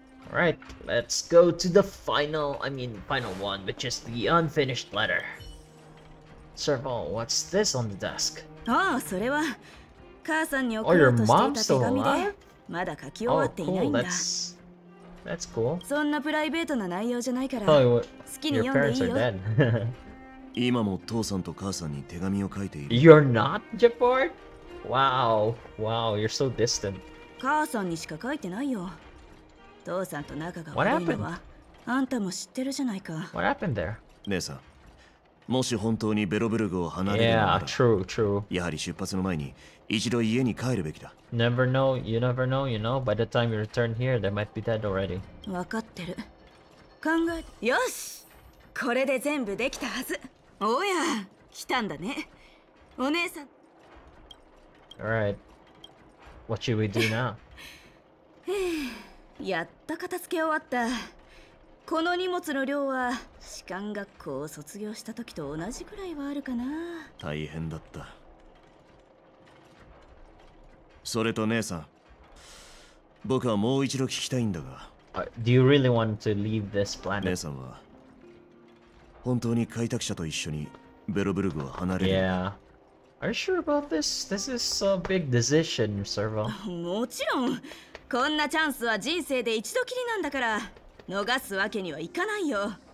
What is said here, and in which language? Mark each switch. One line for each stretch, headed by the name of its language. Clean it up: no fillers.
English: Alright, let's go to the final one, which is the unfinished letter. Serval, what's this on the desk?
Japanese: Oh, それは母さんに送ろうとしていた手紙で、まだ書き終わっていないんだ。
English: Oh, cool. That's cool.
Japanese: そんなプライベートな内容じゃないから、好きに読んでいいよ。今も父さんと母さんに手紙を書いている。
English: You're not, Jafar? Wow, you're so distant.
Japanese: 母さんにしか書いてないよ。父さんと仲が悪いのは、あんたも知ってるじゃないか。
English: What happened there?
Japanese: 姉さん、もし本当にベロブルグを離れるなら、やはり出発の前に一度家に帰るべきだ。
English: Never know, you never know, you know. By the time you return here, they might be dead already.
Japanese: 分かってる。考え、よし、これで全部できたはず。おや、来たんだね、お姉さん。
English: Alright, what should we do now?
Japanese: やった片付け終わった。この荷物の量は士官学校を卒業した時と同じくらいはあるかな。大変だった。それと姉さん、僕はもう一度聞きたいんだが。
English: Do you really want to leave this planet?
Japanese: 姉さんは本当に開拓者と一緒にベロブルグを離れる。
English: Yeah. Are you sure about this? This is so big decision, Servo.
Japanese: もちろん。こんなチャンスは人生で一度きりなんだから、逃すわけにはいかないよ。